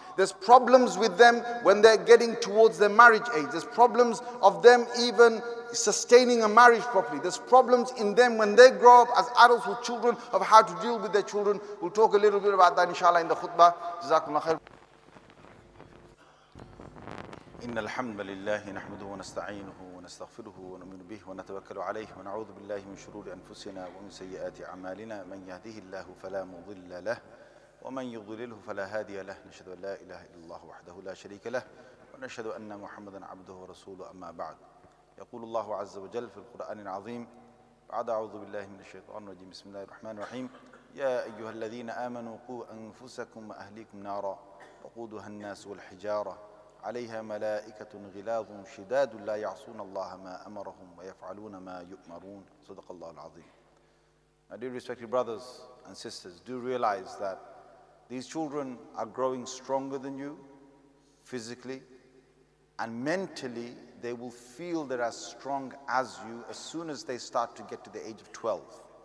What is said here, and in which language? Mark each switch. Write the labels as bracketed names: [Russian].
[English] There's problems with them when they're getting towards their marriage age. There's problems of them even sustaining a marriage properly. There's problems in them when they grow up as adults with children of how to deal with their children. We'll talk a little bit about that inshallah in the khutbah. Jazakumullah khair. [Arabic] إن الحمد لله نحمده ونستعينه ونستغفره ونؤمن به ونتوكل عليه ونعوذ بالله من شرور أنفسنا ومن سيئات أعمالنا من يهده الله فلا مضل له ومن يضلله فلا هادي له نشهد أن لا إله إلا الله وحده لا شريك له ونشهد أن محمدا عبده ورسوله أما بعد يقول الله عز وجل في القرآن العظيم بعد أعوذ بالله من الشيطان الرجيم بسم الله الرحمن الرحيم يا أيها الذين آمنوا قوا أنفسكم وأهليكم نارا وقودها الناس والحجارة عليها ملائكة غلاظ شداد لا يعصون الله ما أمرهم ويفعلون ما يؤمرون صدق الله العظيم. [English] My dear respected brothers and sisters, do realize that these children are growing stronger than you physically and mentally. They will feel they're as strong as you as soon as they start to get to the age of 12.